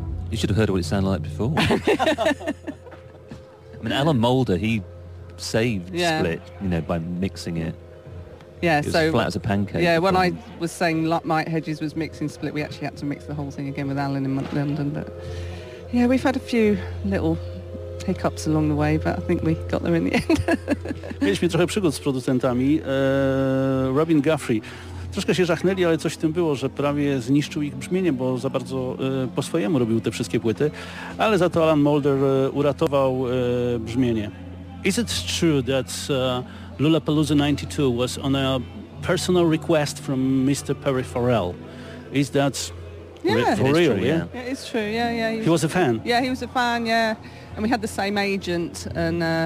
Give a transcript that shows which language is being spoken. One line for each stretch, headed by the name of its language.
English: You should have heard what it sounded like before. I mean, Alan Moulder, he saved Split, you know, by mixing it. Yeah, it was so flat as a pancake. Yeah, when I was saying Mike Hedges was mixing Split, we actually had to mix the whole thing again with Alan in London. But yeah, we've had a few little hiccups along the way, but I think we got there in the end.
Polish: Mieliśmy trochę przygód z producentami. Robin Guthrie. Troszkę się żachnęli, ale coś w tym było, że prawie zniszczył ich brzmienie, bo za bardzo po swojemu robił te wszystkie płyty. Ale za to Alan Moulder uratował brzmienie.
English: Is it true that Lollapalooza 92 was on a personal request from Mr. Perry Farrell? Is that for real? Yeah, it is true. Yeah, yeah. He was a fan. Yeah, he was a fan. Yeah, and we had the same agent, and